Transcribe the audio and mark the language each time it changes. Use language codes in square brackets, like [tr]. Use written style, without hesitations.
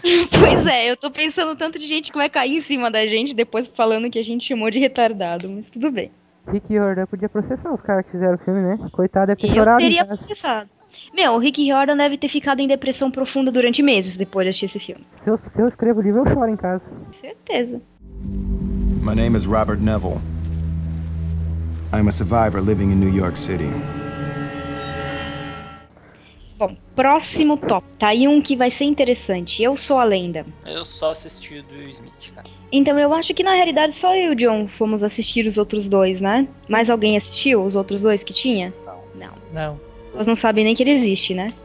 [pt] Pois é, eu tô pensando tanto de gente que vai cair em cima da gente depois falando que a gente chamou de retardado, mas tudo bem. Rick Riordan podia processar os caras que fizeram o filme, né? Coitado, é pejorado. Eu teria processado. Meu, o Rick Riordan deve ter ficado em depressão profunda durante meses depois de assistir esse filme. Se eu escrevo o livro, eu choro em casa. Certeza. [en] My name is Robert Neville. I'm a survivor living in New York City. [pt] Bom, próximo top. Tá aí um que vai ser interessante. Eu Sou a Lenda. Eu só assisti o do Smith, cara. Então, eu acho que na realidade só eu e o John fomos assistir os outros dois, né? Mais alguém assistiu os outros dois que tinha? Não. Não. Vocês não sabem nem que ele existe, né?